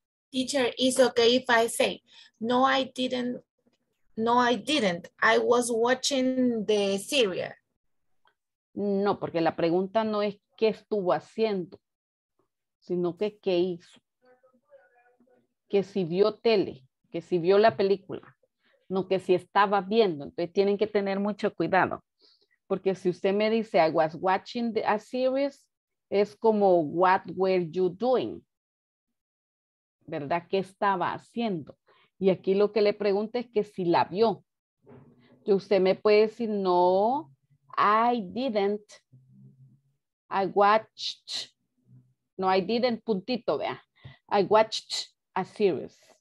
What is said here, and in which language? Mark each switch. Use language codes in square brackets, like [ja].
[en] Teacher, it's okay if I say, no, I didn't. No, I didn't. I was watching the serial. [es] No, porque la pregunta no es qué estuvo haciendo, sino que qué hizo. Que si vio tele, que si vio la película, no que si estaba viendo. Entonces tienen que tener mucho cuidado. Porque si usted me dice [en] I was watching a series, [es] es como [en] what were you doing? [es] ¿Verdad? ¿Qué estaba haciendo? Y aquí lo que le pregunto es que si la vio. Y usted me puede decir, [en] no, I didn't. I watched. No, I didn't, [es] puntito, vea. [en] I watched a series.